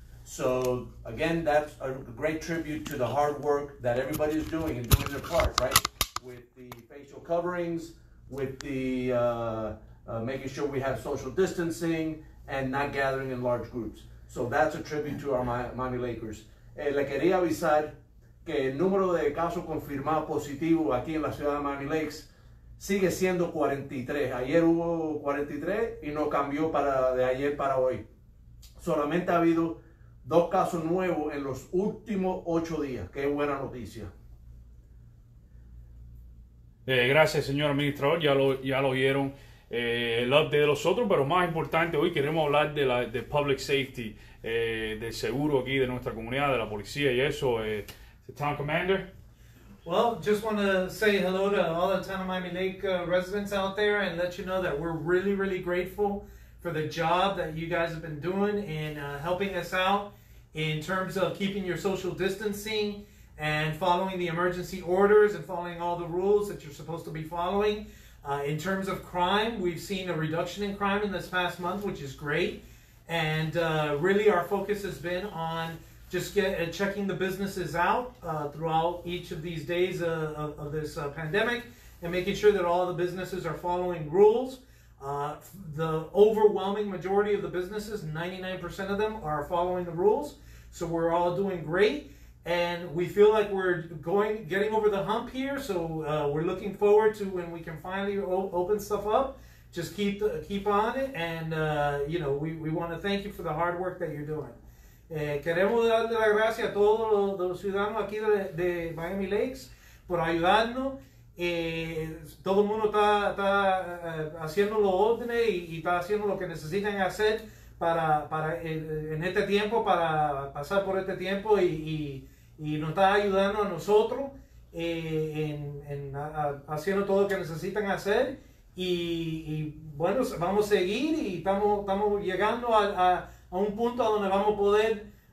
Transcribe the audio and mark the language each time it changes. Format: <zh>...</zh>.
<en>So again, that's a great tribute to the hard work that everybody is doing and doing their part, right? With the facial coverings, with the making sure we have social distancing and not gathering in large groups. So that's a tribute to our Miami Lakers.</en> <es>Le quería avisar que el número de casos confirmados positivos aquí en la ciudad de Miami Lakes sigue siendo 43. Ayer hubo 43 y no cambió para de ayer para hoy. Solamente ha habido dos casos nuevos en los últimos 8 días. Qué buena noticia. Gracias, señor administrador. Ya lo oyeron. El update de los otros, pero más importante, hoy queremos hablar de</es> <en>public safety,</en> <es>del seguro aquí de nuestra comunidad, de la policía y eso.</es> <en>The town commander. Well, just want to say hello to all the town of Miami Lake residents out there and let you know that we're really, really grateful for the job that you guys have been doing in helping us out in terms of keeping your social distancing and following the emergency orders and following all the rules that you're supposed to be following. In terms of crime, we've seen a reduction in crime in this past month, which is great. And really our focus has been on just checking the businesses out throughout each of these days of this pandemic and making sure that all the businesses are following rules. The overwhelming majority of the businesses, 99% of them, are following the rules. So we're all doing great. And we feel like we're getting over the hump here. So we're looking forward to when we can finally open stuff up. Just keep on it. And, you know, we want to thank you for the hard work that you're doing.</en> <es>Queremos darle las gracias a todos los ciudadanos aquí de Miami Lakes por ayudarnos. Todo el mundo está haciendo los órdenes y está haciendo lo que necesitan hacer para en este tiempo, para pasar por este tiempo y nos está ayudando a nosotros en haciendo todo lo que necesitan hacer y bueno, vamos a seguir y estamos llegando a un punto a donde vamos a poder</es>